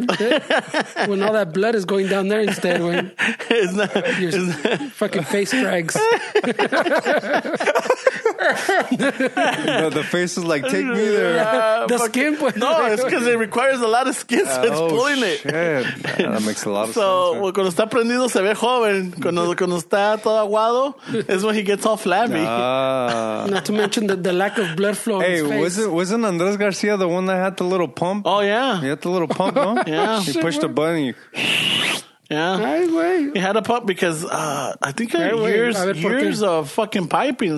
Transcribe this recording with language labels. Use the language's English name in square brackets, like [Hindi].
[English] When all that blood is going down there instead, when it's not, fucking face drags. No, the face is like, take me there. The skin. No, it's because it requires a lot of skin, so it's pulling shit. That makes a lot of sense. So, well, [Spanish] cuando está prendido, se ve joven. Cuando está todo aguado, [English] is when he gets all flabby. Not to mention the lack of blood flow in his face. Hey, wasn't Andres Garcia the one that had the little pump? Oh, yeah. He had the little pump, no? Yeah. He pushed a button. Yeah, right, he had a pump because I think years of fucking piping.